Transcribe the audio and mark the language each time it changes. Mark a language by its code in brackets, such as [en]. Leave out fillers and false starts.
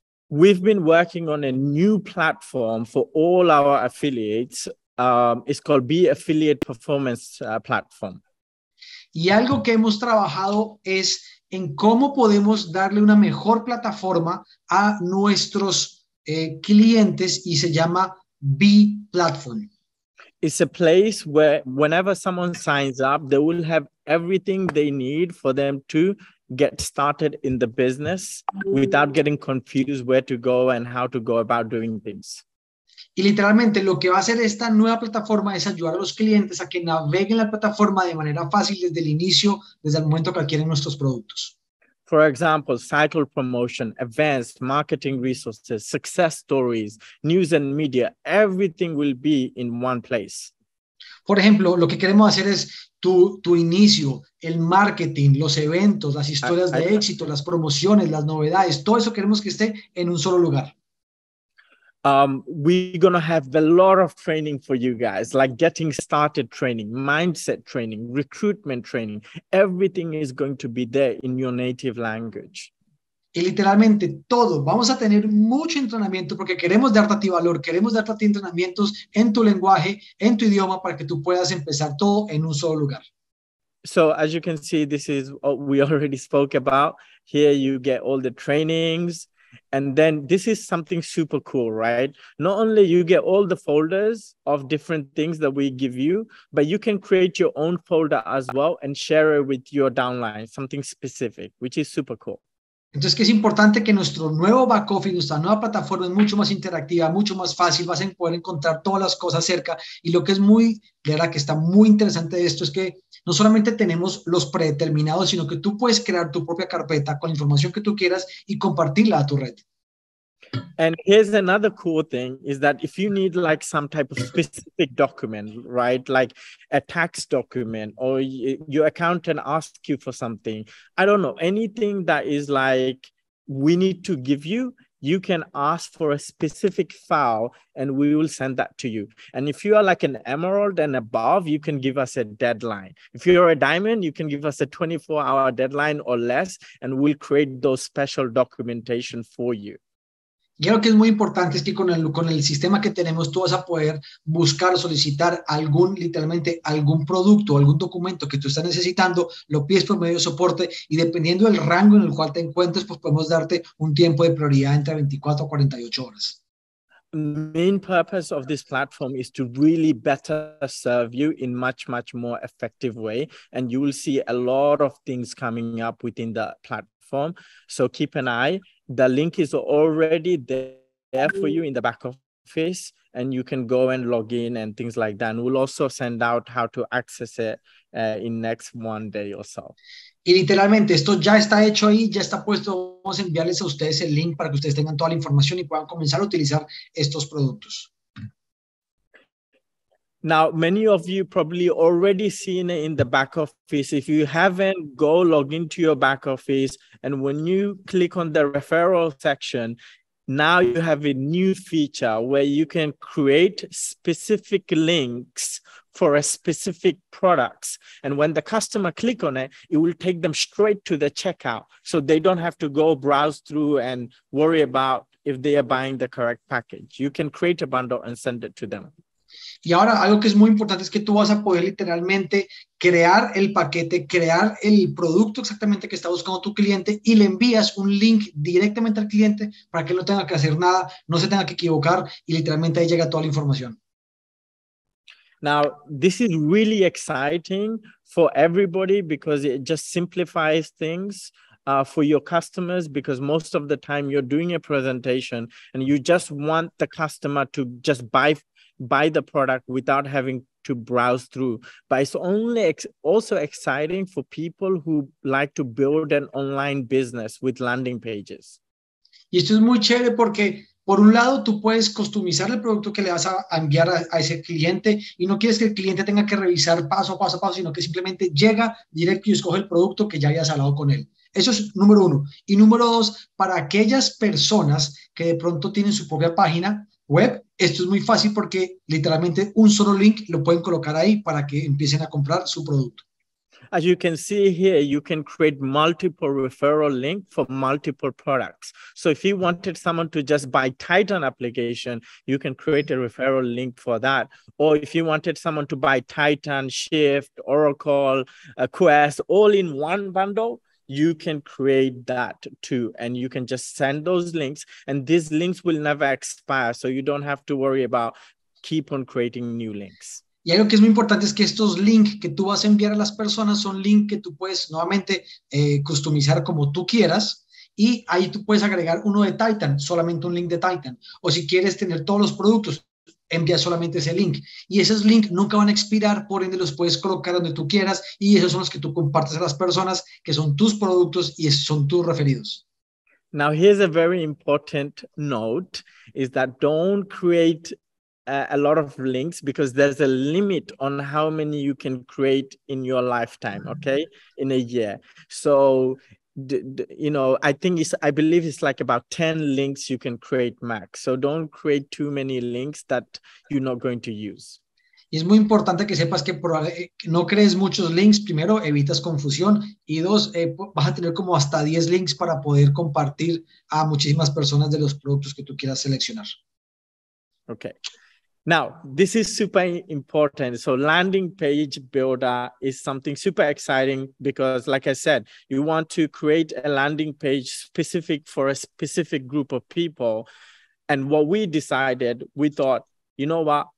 [en] We've been working on a new platform for all our affiliates. It's called Be Affiliate Performance Platform. [es] Y algo que hemos trabajado es en cómo podemos darle una mejor plataforma a nuestros clientes y se llama Be Platform. [en] It's a place where whenever someone signs up, they will have everything they need for them to get started in the business without getting confused where to go and how to go about doing things. [es] Y literalmente lo que va a hacer esta nueva plataforma es ayudar a los clientes a que naveguen la plataforma de manera fácil desde el inicio, desde el momento que adquieren nuestros productos. [en] For example, cycle promotion, events, marketing resources, success stories, news and media, everything will be in one place. [es] Por ejemplo, lo que queremos hacer es tu inicio, el marketing, los eventos, las historias de éxito, las promociones, las novedades, todo eso queremos que esté en un solo lugar. [en] We're going to have a lot of training for you guys, like getting started training, mindset training, recruitment training. Everything is going to be there in your native language. [es] Y literalmente todo. Vamos a tener mucho entrenamiento porque queremos darte a ti valor, queremos darte a ti entrenamientos en tu lenguaje, en tu idioma, para que tú puedas empezar todo en un solo lugar. [en] So as you can see, this is what we already spoke about. Here you get all the trainings. And then this is something super cool, right? Not only you get all the folders of different things that we give you, but you can create your own folder as well and share it with your downline, something specific, which is super cool. [es] Entonces, que es importante que nuestro nuevo back office, nuestra nueva plataforma es mucho más interactiva, mucho más fácil, vas a poder encontrar todas las cosas cerca. Y lo que es muy, de verdad, que está muy interesante de esto es que no solamente tenemos los predeterminados, sino que tú puedes crear tu propia carpeta con la información que tú quieras y compartirla a tu red. [en] And here's another cool thing is that if you need like some type of specific document, right, like a tax document or your accountant asks you for something, I don't know, anything that is like we need to give you, you can ask for a specific file and we will send that to you. And if you are like an emerald and above, you can give us a deadline. If you're a diamond, you can give us a 24-hour deadline or less and we'll create those special documentation for you. [es] Y algo que es muy importante es que con el sistema que tenemos tú vas a poder buscar o solicitar algún, literalmente, algún producto o algún documento que tú estás necesitando, lo pides por medio de soporte y dependiendo del rango en el cual te encuentres, pues podemos darte un tiempo de prioridad entre 24 a 48 horas. [en] Main purpose of this platform is to really better serve you in much, much more effective way and you will see a lot of things coming up within the platform. So keep an eye. The link is already there for you in the back office and you can go and log in and things like that. And we'll also send out how to access it in next one day or so. [es] Y literalmente esto ya está hecho ahí, ya está puesto. Vamos a enviarles a ustedes el link para que ustedes tengan toda la información y puedan comenzar a utilizar estos productos. [en] Now, many of you probably already seen it in the back office. If you haven't, go log into your back office. And when you click on the referral section, now you have a new feature where you can create specific links for a specific products. And when the customer click on it, it will take them straight to the checkout. So they don't have to go browse through and worry about if they are buying the correct package. You can create a bundle and send it to them. [es] Y ahora algo que es muy importante es que tú vas a poder literalmente crear el paquete, crear el producto exactamente que está buscando tu cliente y le envías un link directamente al cliente para que no tenga que hacer nada, no se tenga que equivocar y literalmente ahí llega toda la información. [en] Now, this is really exciting for everybody because it just simplifies things. For your customers, because most of the time you're doing a presentation and you just want the customer to just buy the product without having to browse through. But it's only also exciting for people who like to build an online business with landing pages. [es] Y esto es muy chévere porque por un lado, tú puedes customizar el producto que le vas a enviar a ese cliente y no quieres que el cliente tenga que revisar paso a paso, sino que simplemente llega directo y escoge el producto que ya hayas hablado con él. Eso es número uno. Y número dos, para aquellas personas que de pronto tienen su propia página web, esto es muy fácil porque literalmente un solo link lo pueden colocar ahí para que empiecen a comprar su producto. [en] As you can see here, you can create multiple referral links for multiple products. So if you wanted someone to just buy Titan application, you can create a referral link for that. Or if you wanted someone to buy Titan, Shift, Oracle, Quest, all in one bundle, you can create that too. And you can just send those links and these links will never expire. So you don't have to worry about keep on creating new links. [es] Y algo que es muy importante es que estos links que tú vas a enviar a las personas son links que tú puedes nuevamente customizar como tú quieras. Y ahí tú puedes agregar uno de Titan, solamente un link de Titan. O si quieres tener todos los productos, envía solamente ese link. Y esos links nunca van a expirar, por ende los puedes colocar donde tú quieras y esos son los que tú compartes a las personas que son tus productos y son tus referidos. [en] Now, here's a very important note, is that don't create a lot of links because there's a limit on how many you can create in your lifetime, okay, in a year. So, you know, I believe it's like about 10 links you can create max. So don't create too many links that you're not going to use. [es] Y es muy importante que sepas que no crees muchos links. Primero, evitas confusión. Y dos, vas a tener como hasta 10 links para poder compartir a muchísimas personas de los productos que tú quieras seleccionar. [en] Okay. Now, this is super important. So landing page builder is something super exciting because, like I said, you want to create a landing page specific for a specific group of people. And what we decided, we thought, you know what?